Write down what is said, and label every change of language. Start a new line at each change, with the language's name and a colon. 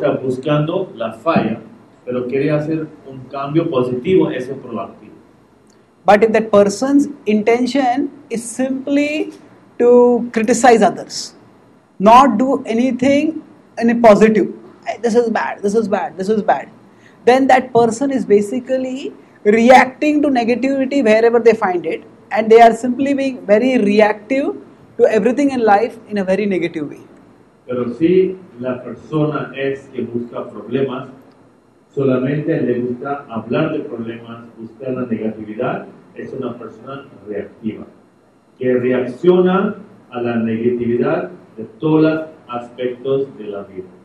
Spanish: está buscando la falla, pero quiere hacer un cambio positivo, eso es proactivo.
English: But if that person's intention is simply to criticize others, not do anything in a positive, this is bad, then that person is basically reacting to negativity wherever they find it, and they are simply being very reactive to everything in life in a very negative way.
Spanish: Pero si la persona es que busca problemas, solamente le gusta hablar de problemas, buscar la negatividad, es una persona reactiva, que reacciona a la negatividad de todos los aspectos de la vida.